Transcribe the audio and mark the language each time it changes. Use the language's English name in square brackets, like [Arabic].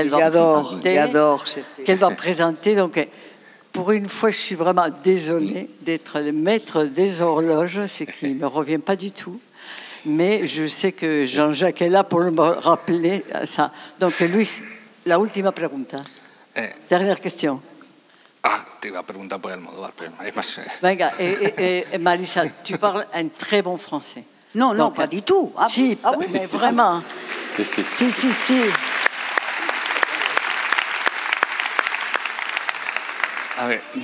[French] qu'elle va présenter. J'adore, qu'elle va présenter. Donc, pour une fois, je suis vraiment désolée d'être le maître des horloges, ce qui ne me revient pas du tout. Mais je sais que Jean-Jacques est là pour me rappeler ça. [Spanish] Donc, Luis, la última pregunta. [French] Dernière question. [Spanish] Ah, tu vas preguntar por Almodóvar. [French] Venga, et Marisa, tu parles un très bon français. Non, pas du tout. Ah, si, ah oui, mais vraiment. Si. [Spanish] A ver.